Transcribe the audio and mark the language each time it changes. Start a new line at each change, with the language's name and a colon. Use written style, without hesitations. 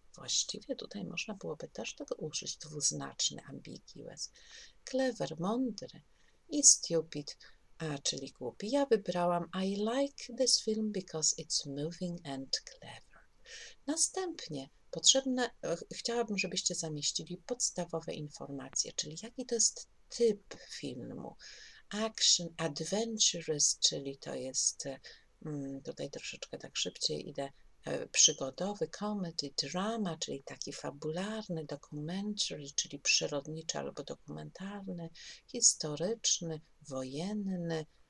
Polish: Właściwie tutaj można byłoby też tego użyć, dwuznaczny, ambiguous, clever, mądry i stupid, czyli głupi. Ja wybrałam
English: I like this film because it's moving and clever.
Polish: Następnie chciałabym, żebyście zamieścili podstawowe informacje, czyli jaki to jest typ filmu. Action, adventurous, czyli to jest, tutaj troszeczkę tak szybciej idę, przygodowy, comedy, drama, czyli taki fabularny, documentary, czyli przyrodniczy albo dokumentalny, historyczny, wojenny,